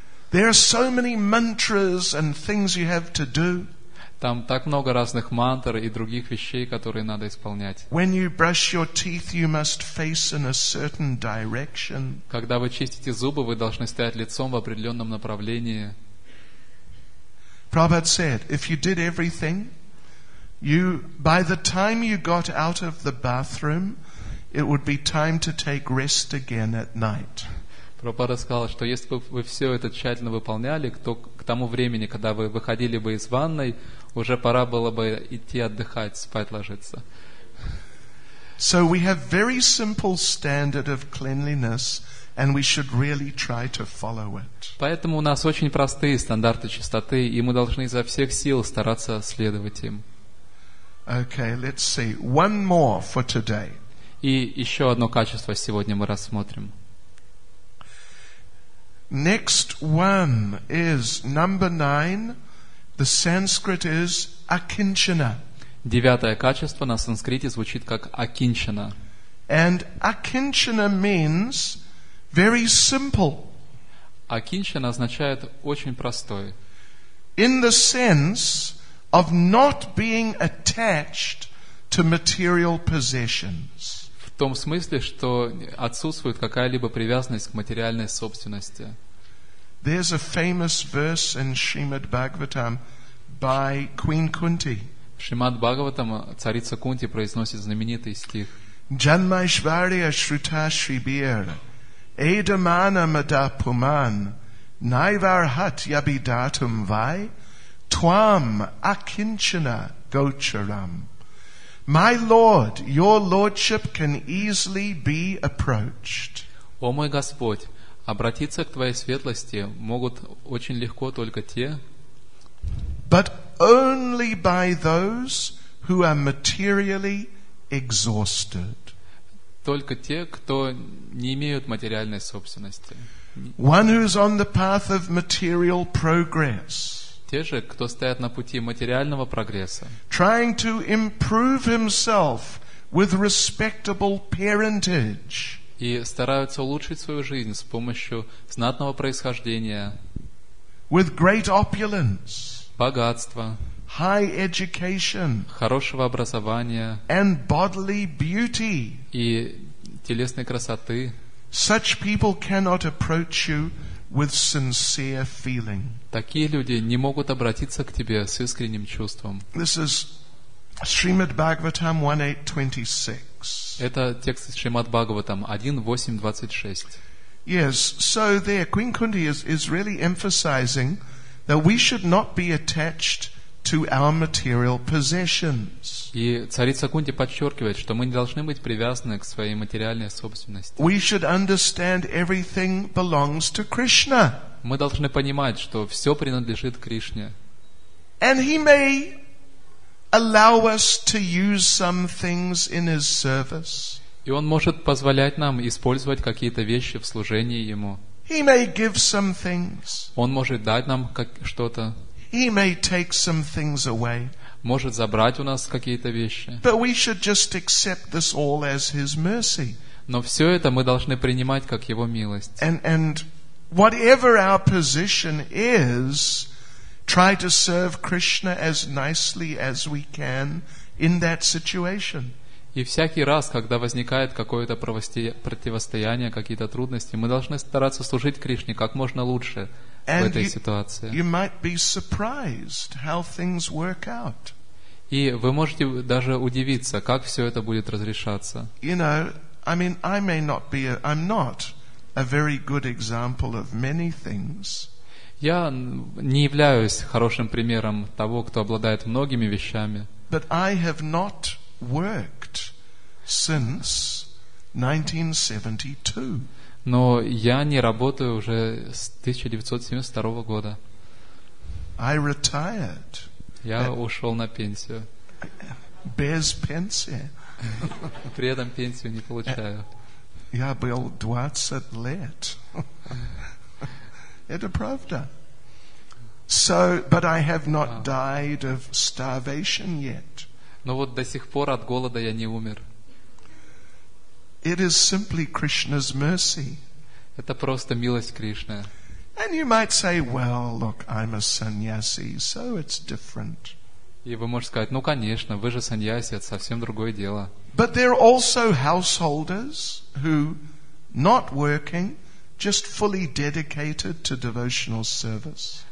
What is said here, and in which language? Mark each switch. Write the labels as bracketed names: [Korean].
[English] There are so many mantras and things you have to do. [Russian] Там так много разных мантр и других вещей, которые надо исполнять. [English] When you brush your teeth, you must face in a certain direction. [Russian] Когда вы чистите зубы, вы должны стоять лицом в определенном направлении. [English] Prabhupada said, if you did everything, you by the time you got out of the bathroom, it would be time to take rest again at night. [Russian] Прабхупада сказал, что если бы вы все это тщательно выполняли, то к тому времени, когда вы выходили бы из ванной, уже пора было бы идти отдыхать, спать ложиться. [English] So we have very simple standard of cleanliness, and we should really try to follow it. [Russian] Поэтому у нас очень простые стандарты чистоты, и мы должны изо всех сил стараться следовать им. [English] Okay, let's see. One more for today. [Russian] И еще одно качество сегодня мы рассмотрим. [English] Next one is number 9. The Sanskrit is akinchana. [Russian] Девятое качество на санскрите звучит как акинчана. [English] And akinchana means very simple. [Russian] Акинчана означает очень простой. [English] In the sense of not being attached to material possessions. [Russian] В том смысле, что отсутствует какая-либо привязанность к материальной собственности. [English] There's a famous verse in Srimad Bhagavatam by Queen Kunti. [Russian] В Шримад Бхагаватам царица Кунти произносит знаменитый стих. [Sanskrit] Janmaishvarya Shruta Shribir Edamana Mada Puman Naivarhat Yabidatum Vai Twam Akinchana Gocharam. [English] My Lord, your Lordship can easily be approached. [Russian] О мой Господь, обратиться к Твоей светлости могут очень легко только те, [English] but only by those who are materially exhausted. [Russian] Только те, кто не имеют материальной собственности. [English] One who is on the path of material progress. [Russian] Те же, кто стоят на пути материального прогресса. [English] Trying to improve himself with respectable parentage. [Russian] И стараются улучшить свою жизнь с помощью знатного происхождения. [English] With great opulence. [Russian] Богатство, [English] high education, [Russian] хорошего образования, [English] and bodily beauty, [Russian] и телесной красоты, [English] such people cannot approach you with sincere feeling. [Russian] Такие люди не могут обратиться к тебе с искренним чувством. [English] This is Srimad Bhagavatam 1826. [Russian] Это текст из Шримад Бхагаватам 1.8.26. [English] Yes, so there, Queen Kunti is really emphasizing that we should not be attached to our material possessions. [Russian] И царица Кунти подчеркивает, что мы не должны быть привязаны к своей материальной собственности. [English] We should understand everything belongs to Krishna. [Russian] Мы должны понимать, что все принадлежит Кришне. [English] And he may allow us to use some things in his service. [Russian] И он может позволять нам использовать какие-то вещи в служении ему. [English] He may give some things. [Russian] Он может дать нам что-то. [English] He may take some things away. [Russian] Может забрать у нас какие-то вещи. [English] But we should just accept this all as his mercy. [Russian] Но все это мы должны принимать как его милость. [English] And whatever our position is, try to serve Krishna as nicely as we can in that situation. [Russian] И всякий раз, когда возникает какое-то противостояние, какие-то трудности, мы должны стараться служить Кришне как можно лучше в этой ситуации. [English] You might be surprised how things work out. [Russian] И вы можете даже удивиться, как все это будет разрешаться. [English] You know, I mean, I'm not a very good example of many things. [Russian] Я не являюсь хорошим примером того, кто обладает многими вещами. [English] But I have not worked since 1972. [Russian] Но я не работаю уже с 1972 года. [English] I retired. [Russian] Я ушел на пенсию. Без пенсии. При этом пенсию не получаю. Я был 20 лет. Это правда. [English] So, but I have not died of starvation yet. [Russian] Но вот до сих пор от голода я не умер. [English] It is simply Krishna's mercy. [Russian] Это просто милость Кришны. [English] And you might say, well, look, I'm a sannyasi, so it's different. [Russian] И вы можете сказать, ну конечно, вы же саньяси, это совсем другое дело. [English] But there are also householders who, not working, just fully dedicated to devotional service.